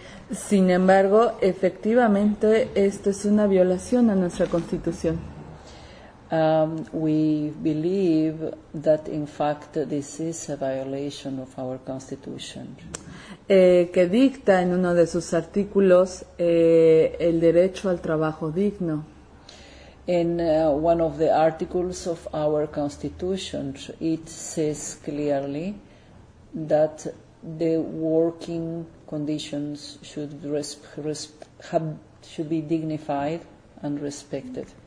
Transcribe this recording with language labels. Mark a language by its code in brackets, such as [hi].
[es] Sin embargo, efectivamente, esto es una violación a nuestra Constitución. [en] We believe that, in fact, this is a violation of our Constitution. [es] Que dicta en uno de sus artículos el derecho al trabajo digno. [en] In one of the articles of our Constitution, it says clearly that the working conditions should be dignified and respected.